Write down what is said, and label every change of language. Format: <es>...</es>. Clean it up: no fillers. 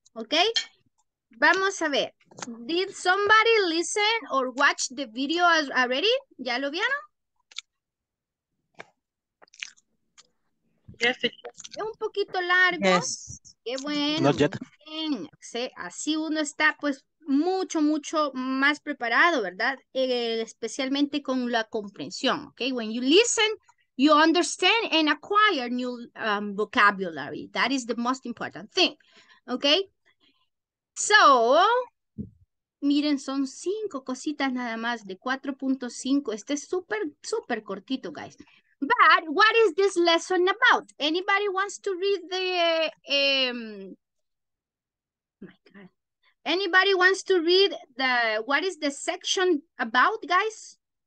<en>Ok,</en> <es>vamos a ver.</es> <en>¿Did somebody listen or watch the video already?</en> <es>¿Ya lo vieron? Un poquito largo.</es> <en>Yes.</en> <es>Qué bueno,</es> <en>Not yet.</en> <es>muy bien. Sí, así uno está pues mucho, mucho más preparado, ¿verdad? Especialmente con la comprensión.</es> <en>Ok, when you listen, you understand and acquire new vocabulary. That is the most important thing. Ok.</en> <es>So, miren, son cinco cositas nada más de 4.5. Este es súper, súper cortito,</es> <en>guys. But what is this lesson about? Anybody wants to read the Anybody wants to read the what is the section about, guys?</en>